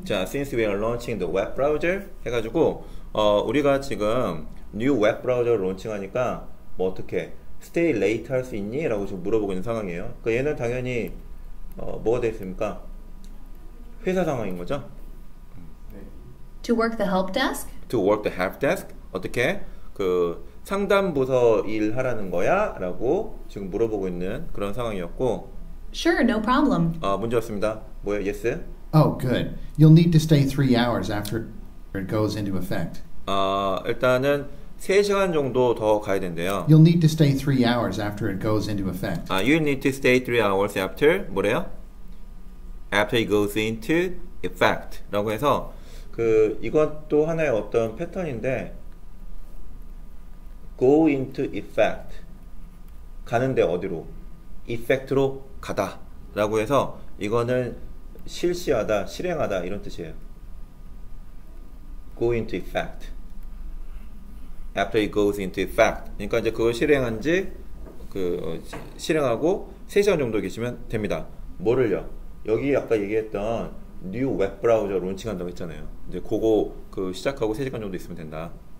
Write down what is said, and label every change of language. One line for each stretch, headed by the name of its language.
English: 자, since we are launching the web browser
Korean: 해가지고 우리가 지금
English: new web browser
Korean: 론칭하니까 뭐 어떻게
English: stay late
Korean: 할 수 있니? 라고 지금 물어보고 있는 상황이에요. 그러니까 얘는 당연히 뭐가 됐습니까? 회사 상황인 거죠?
English: To work the help desk? To work the help desk?
Korean: 어떻게? 그 상담부서 일하라는 거야? 라고 지금 물어보고 있는 그런 상황이었고
English: Sure, no problem.
Korean: 아, 문제였습니다. 뭐예요? Yes?
English: Oh, good. You'll need to stay 3 hours after it goes into effect.
Korean: 아, 일단은 3시간 정도 더 가야 된대요.
English: You'll need to stay 3 hours after it goes into effect. 아, you'll need to stay 3 hours after,
Korean: 뭐래요?
English: After it goes into effect.
Korean: 라고 해서 그 이것도 하나의 어떤 패턴인데
English: go into effect.
Korean: 가는데 어디로? effect로 가다 라고 해서 이거는 실시하다, 실행하다 이런 뜻이에요.
English: go into effect after it goes into effect.
Korean: 그러니까 이제 그걸 실행한 지 그 실행하고 3시간 정도 계시면 됩니다. 뭐를요? 여기 아까 얘기했던 new web browser 론칭한다고 했잖아요. 이제 그거 그 시작하고 3시간 정도 있으면 된다.